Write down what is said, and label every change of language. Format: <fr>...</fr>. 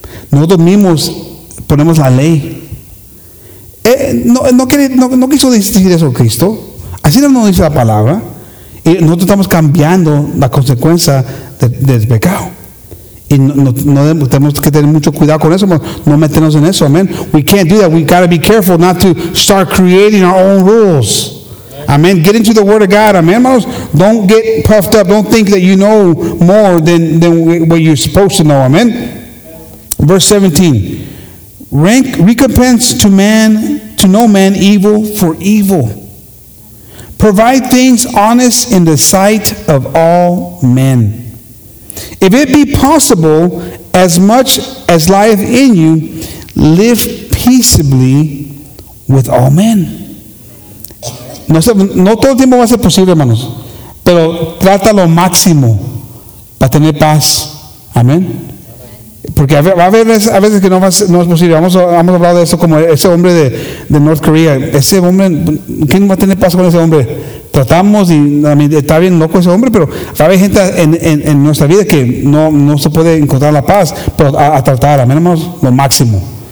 <es>Nosotros mismos ponemos la ley. No quiso decir eso Cristo. Así no nos dice la palabra. Y nosotros estamos cambiando la consecuencia del pecado. Y no tenemos que tener mucho cuidado con eso. No meternos en eso. Amen.</es> <en>We can't do that. We got to be careful not to start creating our own rules. Amen. Get into the Word of God. Amen, hermanos. Don't get puffed up. Don't think that you know more than what you're supposed to know. Amen. Verse 17. Recompense to no man evil for evil. Provide things honest in the sight of all men. If it be possible, as much as lieth in you, live peaceably with all men.</en> <es>No todo el tiempo va a ser posible, hermanos, pero trata lo máximo para tener paz. Amén. Porque va a haber a veces que no es posible. Vamos a hablar de eso, como ese hombre de North Korea. Ese hombre, ¿quién va a tener paz con ese hombre? Tratamos y está bien loco ese hombre, pero va a haber gente en nuestra vida que no se puede encontrar la paz, pero a tratar, amén, hermanos, lo máximo.</es>